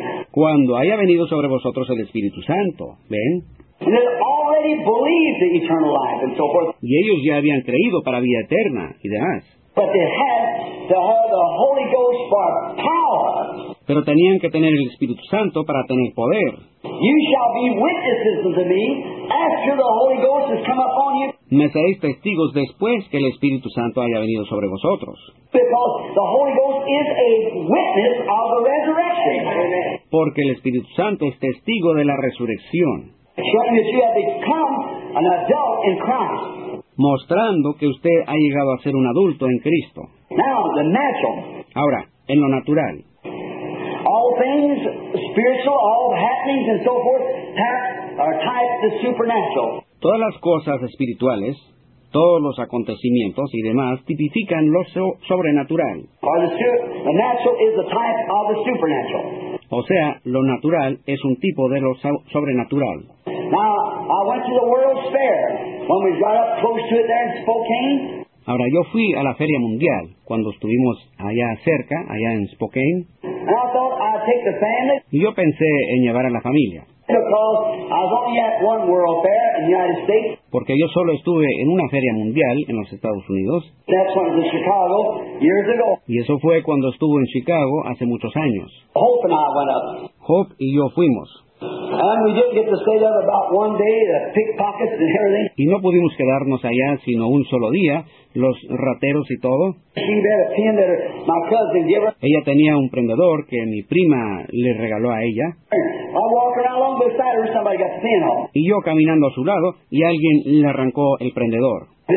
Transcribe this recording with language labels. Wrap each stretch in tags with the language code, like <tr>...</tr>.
<es>Cuando haya venido sobre vosotros el Espíritu Santo, ¿ven?</es> <en>And they already believed the eternal life and so forth.</en> <es>Y ellos ya habían creído para vida eterna y demás.</es> <en>But they had to have the Holy Ghost for power.</en> <es>Pero tenían que tener el Espíritu Santo para tener poder.</es> <en>You shall be witnesses unto me after the Holy Ghost has come upon you.</en> <es>Me seréis testigos después que el Espíritu Santo haya venido sobre vosotros.</es> <en>Because the Holy Ghost is a witness of the resurrection.</en> <es>Porque el Espíritu Santo es testigo de la resurrección.</es> <en>Showing that you have become an adult in Christ.</en> <es>Mostrando que usted ha llegado a ser un adulto en Cristo.</es> <en>Now, the natural.</en> <es>Ahora, en lo natural.</es> <en>All things spiritual, all happenings and so forth, have are tied to supernatural.</en> <es>Todas las cosas espirituales, todos los acontecimientos y demás, tipifican lo sobrenatural.</es> <en>Or the natural is the type of the supernatural.</en> <es>O sea, lo natural es un tipo de lo sobrenatural.</es> <en>Now, I went to the World's Fair. When we got up close to it there in Spokane.</en> <es>Ahora, yo fui a la Feria Mundial cuando estuvimos allá cerca, allá en Spokane.</es> <en>And I thought I'd take the family.</en> <es>Y yo pensé en llevar a la familia.</es> <en>Because I was only at one World Fair in the United States.</en> <es>Porque yo solo estuve en una Feria Mundial en los Estados Unidos.</es> <en>That's when it was in Chicago years ago.</en> <es>Y eso fue cuando estuvo en Chicago hace muchos años.</es> <en>Hope and I went up.</en> <es>Hope y yo fuimos.</es> <en>And we didn't get to stay there about one day, the pickpockets and everything.</en> <es>Y no pudimos quedarnos allá sino un solo día, los rateros y todo.</es> <en>She had a pin that my cousin gave her.</en> <es>Ella tenía un prendedor que mi prima le regaló a ella.</es> <en>I walked around along beside her, somebody got the pin on.</en> <es>Y yo caminando a su lado y alguien le arrancó el prendedor.</es>